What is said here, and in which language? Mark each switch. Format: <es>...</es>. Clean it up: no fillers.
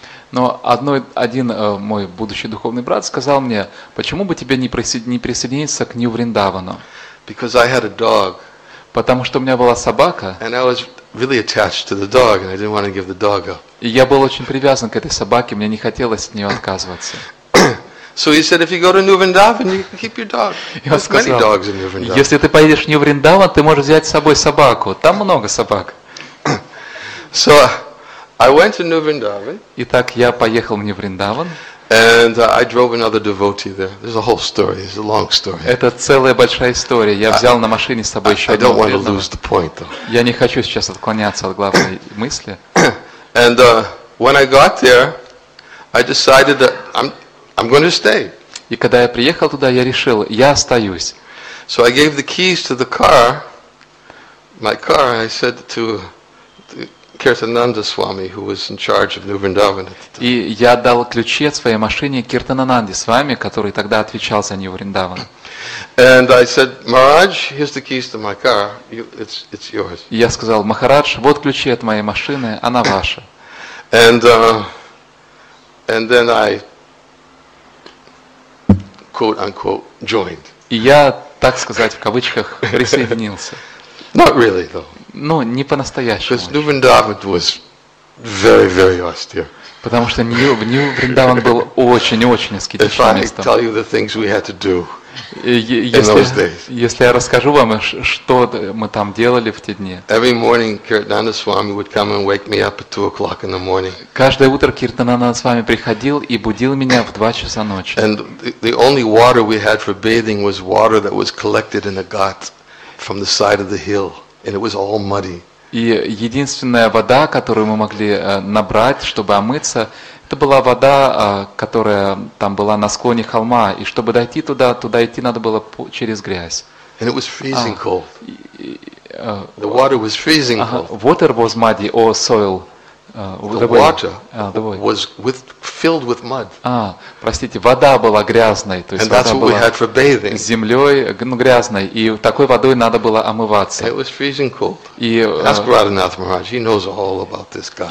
<ru>Но один мой будущий духовный брат сказал мне: "Почему бы тебе не присоединиться к New Vrindavan?"</ru> <en>Because I had a dog.</en> <ru>Потому что у меня была собака.</ru> <en>And I was really attached to the dog, and I didn't want to give the dog up.</en> <ru>И я был очень привязан к этой собаке, мне не хотелось от нее отказываться.</ru> <en>So he said, if you go to New Vrindavan, you can keep your dog. There's many dogs in New Vrindavan.</en> <ru>Если ты поедешь в New Vrindavan, ты можешь взять с собой собаку. Там много собак.</ru> <en>So I went to New Vrindavan.</en> <ru>Итак, я поехал в New Vrindavan.</ru> <en>And I drove another devotee there. There's a whole story. It's a long story.</en> <ru>Это целая большая история. Я взял на машине с собой еще одного преданного.</ru> <en>I don't want to lose the point, though.</en> <ru>Я не хочу сейчас отклоняться от главной мысли.</ru> <en>And when I got there, I decided that I'm going to stay.</en> <ru>И когда я приехал туда, я решил, я остаюсь.</ru> <en>So I gave the keys to the car, my car, and I said to Kirtananda Swami, who was in charge of New Vrindavan at the time.</en> <ru>И я дал ключи от своей машины Киртананде Свами, который тогда отвечал за New Vrindavan.</ru> <en>And I said, Maharaj, here's the keys to my car. It's yours.</en> <ru>Я сказал, Махарадж, вот ключи от моей машины, она ваша.</ru> <en>And then I quote unquote joined.</en> <ru>И я, так сказать, в кавычках, присоединился.</ru> <en>Not really, though.</en> <ru>Ну, не по-настоящему.</ru> <en>Because New Vrindavan was very, very austere.</en> <ru>Потому что New Vrindavan был очень-очень аскетичным местом.</ru> <en>If I tell you the things we had to do.</en> <ru>Если я расскажу вам, что мы там делали в те дни.</ru> <en>Every morning, Kirtananda Swami would come and wake me up at 2 o'clock in the morning.</en> <ru>Каждое утро Киртананда Свами приходил и будил меня в 2 часа ночи.</ru> <en>And the only water we had for bathing was water that was collected in a ghat from the side of the hill, and it was all muddy.</en> <ru>И единственная вода, которую мы могли набрать, чтобы омыться. Это была вода, которая там была на склоне холма, и чтобы дойти туда, туда идти надо было через грязь.</ru> <en>And it was freezing cold. The water was freezing cold. Water was muddy or soil. The water was filled with mud.</en> <ru>Простите, вода была грязной, то есть</ru> <en>And that's what</en> <ru>была</ru> <en>we had for bathing.</en> <ru>Землей, ну, грязной, и такой водой надо было омываться.</ru> <en>It was freezing cold.</en> <ru>И,</ru> <en>Ask Radhanath Maharaj, he knows all about this guy.</en>